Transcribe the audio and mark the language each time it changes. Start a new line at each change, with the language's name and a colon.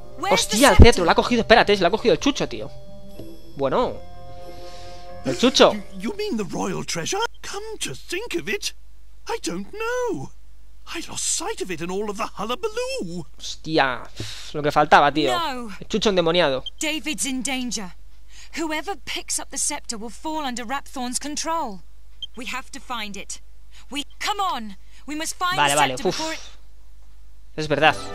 Spanish: ¡Hostia, el cetro! Lo ha cogido, espérate, se lo ha cogido el chucho, tío. Bueno, el chucho.
English: You mean the royal treasure? Come to think of it, I don't know. I lost sight of it in all of the hullabaloo.
Spanish: Hostia, lo que faltaba, tío. No. El chucho endemoniado.
English: David's in danger. Whoever picks up the scepter will fall under Rapthorn's control. We have to find it. We... Come on! We must find
Spanish: vale,
English: the scepter
Spanish: vale.
English: Before it...
Spanish: Es verdad.